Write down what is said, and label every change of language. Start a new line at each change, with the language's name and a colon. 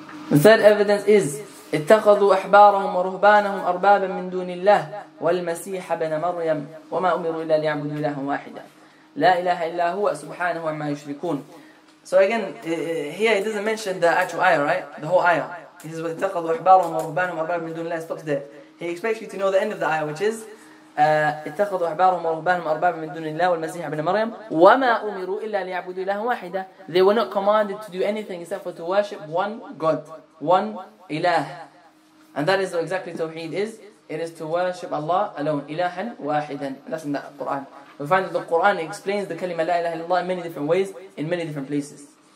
English: The third evidence is,
Arabic: اتخذوا أحبارهم ورهبانهم أربابا من دون الله والمسيح بن مريم وما أمروا إلا ليعبدوا إلها واحدا لا إله إلا هو سبحانه عما يشركون.
English: So again, here it doesn't mention the actual ayah, right? The whole ayah. He says,
Arabic: اتخذوا أحبارهم ورهبانهم أربابا من دون الله,
English: it stops there. He expects you to know the end of the ayah, which is,
Arabic: اتخذوا أحبارهم ورهبانهم أربابا من دون الله والمسيح بن مريم وما أمروا إلا ليعبدوا إلها واحدا.
English: They were not commanded to do anything except for to worship one God, one ilah. And that is what exactly Tawheed is. It is to worship Allah alone.
Arabic: Ilahan wahidan.
English: That's in the Quran. We find that the Quran explains the kalima la ilaha illallah in many different ways, in many different places.